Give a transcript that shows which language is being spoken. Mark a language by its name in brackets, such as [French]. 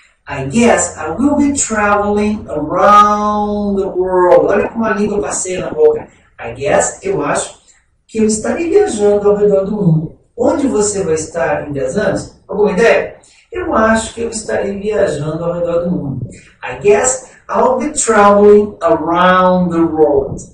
[English] I guess I will be traveling around the world. [Portuguese] Olha como a língua passeia na boca. [English] I guess, [Portuguese] eu acho, que eu estarei viajando ao redor do mundo. Onde você vai estar em 10 anos? Alguma ideia? Eu acho que eu estarei viajando ao redor do mundo. [English] I guess I'll be traveling around the world.